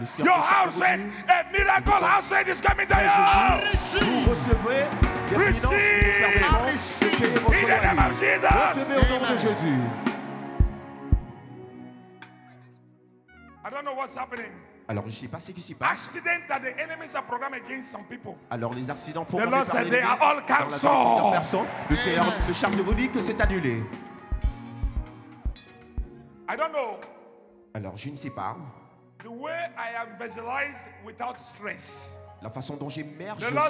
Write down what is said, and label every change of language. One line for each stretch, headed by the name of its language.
English: Your house rent, a miracle house rent is coming to you.
French: Vous recevrez des finances qui vous permettront de payer votre loyer. Recevez au nom de Jésus.
English: I don't know what's happening.
French: Alors je ne sais pas ce qui s'y passe.
English: Accident that the enemies are programmed against some people.
French: Alors les accidents programmés par l'ennemi dans la vie de certaines personnes. Le Seigneur me charge de vous dire que c'est annulé.
English: I don't know.
French: Alors, je ne sais pas.
English: The way I am visualized without stress.
French: La façon dont j'émerge
English: the Lord